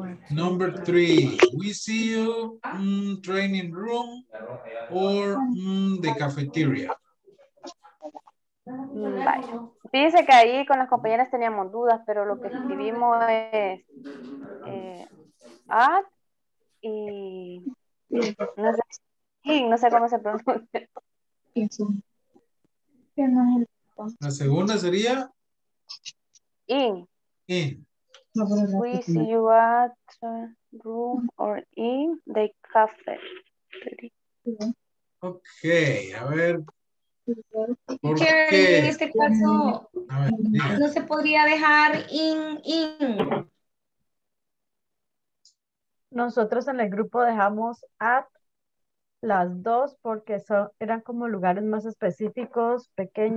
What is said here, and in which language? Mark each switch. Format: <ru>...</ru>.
<en>Number three, we see you in training room or in the cafeteria. Bye.</en> <es>Dice que ahí con las compañeras teníamos dudas, pero lo que escribimos es at y no sé cómo se pronuncia. La segunda sería</es> <en>in. We see you at room or in the cafe.</en> <es>Okay, a ver. En este caso, ver, no se podría dejar in. Nosotros en el grupo dejamos at las dos porque eran como lugares más específicos, pequeños,</es>